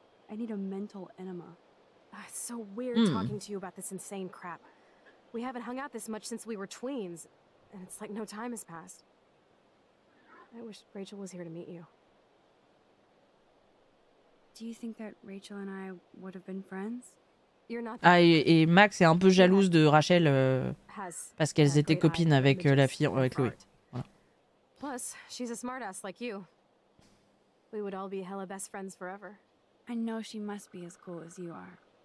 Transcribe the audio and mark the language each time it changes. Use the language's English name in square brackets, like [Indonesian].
[English] I need a mental enema. It's so weird talking to you about this insane crap. We haven't hung out this much since we were tweens, and it's like no time has passed. I wish Rachel was here to meet you. Do you think that Rachel and I would have been friends? You're not. [French] Ah, et Max est un peu jalouse de Rachel parce qu'elles étaient copines avec la fille avec Chloé. [English] Voilà. Plus, she's a smartass like you. We would all be hella best friends forever. I know she must be as cool as you are.